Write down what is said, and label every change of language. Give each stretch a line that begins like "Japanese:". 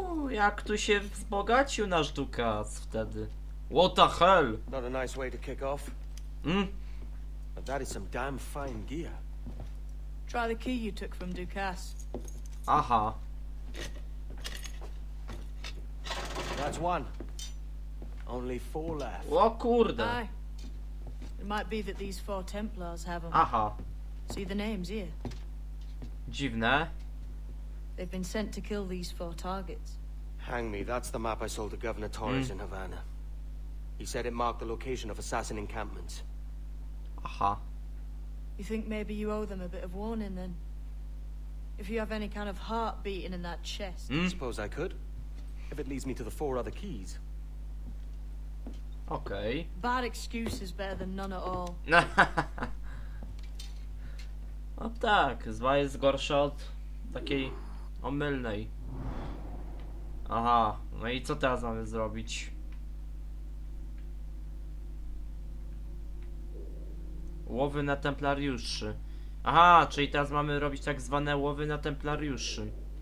Polish: jak tu się wzbogacił nasz Dukas wtedy.
English: What the hell? Not a nice way to kick off. But that is some damn fine gear. Try the key you took from Dukas. Aha. That's one. Only four left.
Polish: O kurde.
English: Aye. It might be that these four Templars have them. Aha. See the names here.
Polish: Dziwne.
English: They've been sent to kill these four targets. Hang me, that's the map I sold to Governor Torres in Havana. He said it marked the location of assassin encampments. Aha. You think maybe you owe them a bit of warning then? If you have any kind of heart beating in that chest. I suppose I could. If it leads me to the four other keys. Okej. Okay. Bad excuse is better than none at all.
Polish: No tak, zła jest gorsza od takiej omylnej. Aha, no i co teraz mamy zrobić? Łowy na templariuszy. Aha, czyli teraz mamy robić tak zwane łowy na templariuszy.